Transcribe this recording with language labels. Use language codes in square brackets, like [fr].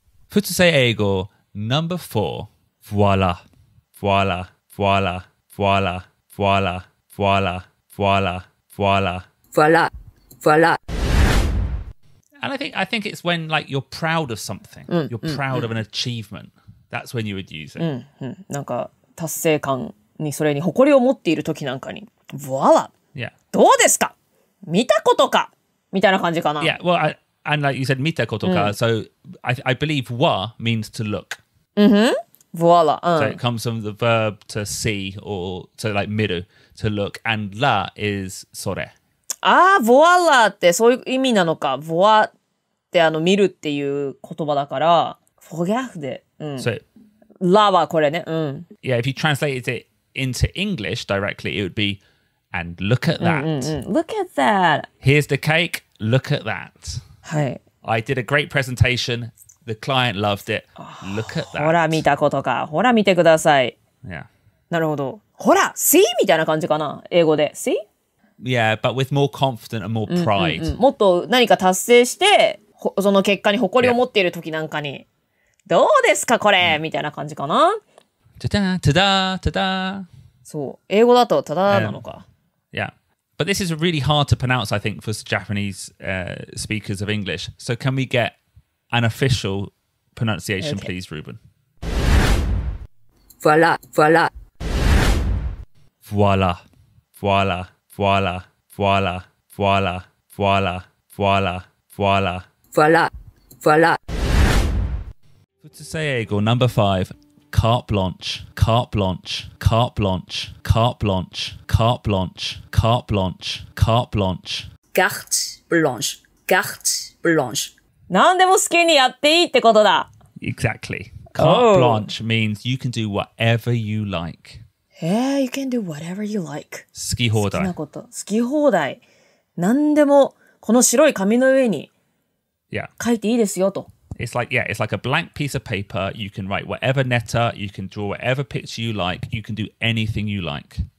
[fr] Futsusei Eigo number four, voila, voila, voila, voila, voila, voila, voila, voila, voila, voila. [en] And I think it's when like you're proud of something,、 mm, you're proud of an achievement. That's when you would use it. [ja] なんか達成感にそれに誇りを持っている時なんかに voila. [en] Yeah. [ja] どうですか?見たことか?みたいな感じかな? [en] Yeah, well, and like you said, [ja] 見たことか、 [en] so I believe wa means to look. Mm-hmm. Voila. So it comes from the verb to see or to like miru, to look. And la is sore. [ja] Ah, voila ってそういう意味なのか。 voa ってあの見るっていう言葉だから。 Forget で。 [en] So, [ja] la はこれね。 [en] Yeah, if you translated it into English directly, it would be, and look at that. Look at that. Here's the cake. Look at that. [ja] はい。 [en] I did a great presentation. The client loved it. Look at that. [ja] ほら見たことか。ほら見てください。 [en] Yeah. [ja] なるほど。ほら、see? みたいな感じかな。英語で。See? [en] Yeah, but with more confidence and more pride. [ja] もっと何か達成して、その結果に誇りを持っている時なんかに。どうですかこれ、みたいな感じかな。 [en] ta-da, ta-da, ta-da. [ja] そう。英語だと、ta-da なのか。 [en] Yeah. But this is really hard to pronounce, I think, for Japanese speakers of English. So can we get... An official pronunciation, please, Ruben. [fr] Voila, voila. Voila, voila, voila, voila, voila, voila, voila, voila. Voila, voila. [en] Futsusei Eigo, number five. [fr] Carte blanche, carte blanche, carte blanche, carte blanche, carte blanche, carte blanche, carte blanche. Carte blanche, carte blanche. [ja] 何でも好きにやっていいってことだ。 [en] Exactly. Carte blanche means you can do whatever you like. Hey, you can do whatever you like. [ja] 好き放題。好きなこと。好き放題。何でもこの白い紙の上に書いていいですよと。 [en] It's like, yeah, it's like a blank piece of paper. You can write whatever letter, you can draw whatever picture you like, you can do anything you like.